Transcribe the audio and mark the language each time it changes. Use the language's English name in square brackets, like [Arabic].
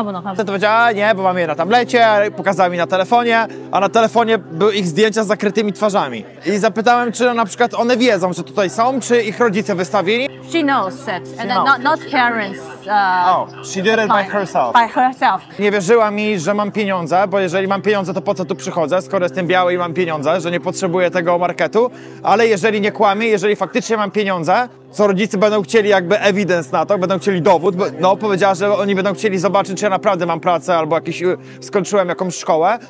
[Polish] Ty to powiedziała, nie, bo mam je na tablecie, pokazała mi na telefonie, a na telefonie były ich zdjęcia z zakrytymi twarzami. I zapytałem, czy na przykład one wiedzą, że tutaj są, czy ich rodzice wystawili. [English] She knows it, and not parents She did it by herself. By herself. [Polish] Nie wierzyła mi, że mam pieniądze, bo jeżeli mam pieniądze, to po co tu przychodzę, skoro jestem biały i mam pieniądze, że nie potrzebuję tego marketu. Ale jeżeli nie kłamie, jeżeli faktycznie mam pieniądze, co rodzice będą chcieli jakby evidence na to, będą chcieli dowód, bo, no powiedziała, że oni będą chcieli zobaczyć, czy ja naprawdę mam pracę albo jakiś, skończyłem jakąś szkołę.